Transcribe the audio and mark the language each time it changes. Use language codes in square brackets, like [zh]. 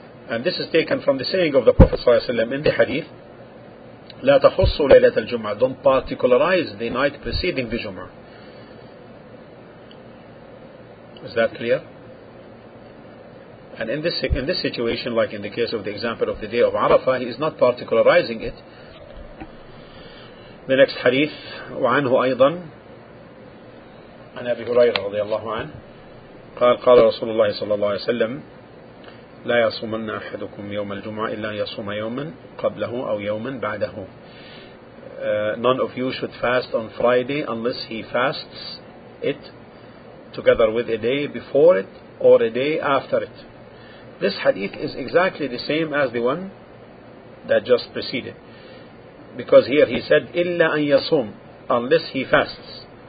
[en] And this is taken from the saying of the Prophet ﷺ in the hadith, [ar] لا تخصوا ليلة الجمعة, [en] don't particularize the night preceding the Jum'ah. Is that clear? And in this situation, like in the case of the example of the day of Arafah, he is not particularizing it. The next hadith, [ar] وعنه أيضا عن أبي هريرة رضي الله عنه قال رسول الله صلى الله عليه وسلم لا يصومن أحدكم يوم الجمعة إلا يصوم يوما قبله أو يوما بعده. [en] None of you should fast on Friday unless he fasts it together with a day before it or a day after it. This hadith is exactly the same as the one that just preceded, because here he said [ar] illa an yasum, [en] unless he fasts.